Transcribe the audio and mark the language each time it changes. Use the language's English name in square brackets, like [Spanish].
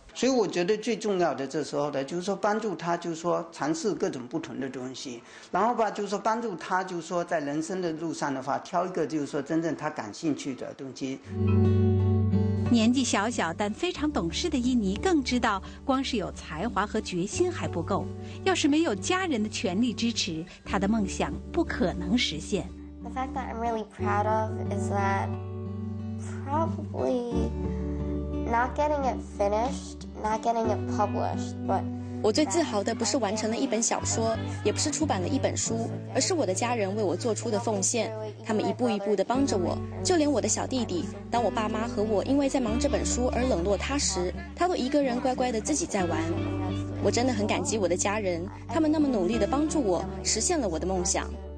[Chinese] 所以我觉得最重要的这时候的就是说帮助她，就是说尝试各种不同的东西，然后吧，就是说帮助她，就是说在人生的路上的话挑一个就是说真正她感兴趣的东西。年纪小小但非常懂事的伊妮更知道，光是有才华和决心还不够，要是没有家人的全力支持，她的梦想不可能实现。 [English] The fact that I'm really proud of is that probably not getting it finished, not getting it published, but [Chinese] 我最自豪的不是完成了一本小说，也不是出版了一本书，而是我的家人为我做出的奉献。他们一步一步地帮着我，就连我的小弟弟，当我爸妈和我因为在忙这本书而冷落他时，他都一个人乖乖地自己在玩。我真的很感激我的家人，他们那么努力地帮助我，实现了我的梦想。